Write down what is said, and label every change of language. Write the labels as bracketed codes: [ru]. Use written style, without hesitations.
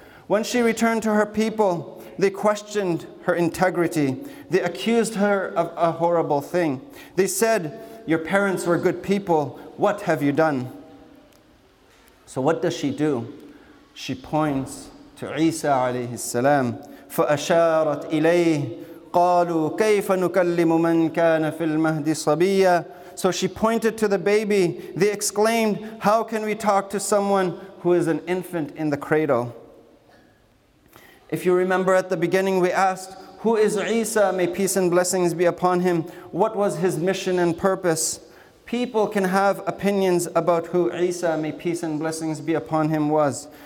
[en] When she returned to her people, they questioned her integrity. They accused her of a horrible thing. They said, your parents were good people. What have you done? So what does she do? She points to Isa alayhi salam. [ar] فَأَشَارَتْ إِلَيْهِ قَالُوا كَيْفَ نُكَلِّمُ مَنْ كَانَ فِي الْمَهْدِ صَبِيًّا [en] So she pointed to the baby. They exclaimed, how can we talk to someone who is an infant in the cradle? If you remember at the beginning, we asked, who is Isa, may peace and blessings be upon him? What was his mission and purpose? People can have opinions about who Isa, may peace and blessings be upon him, was.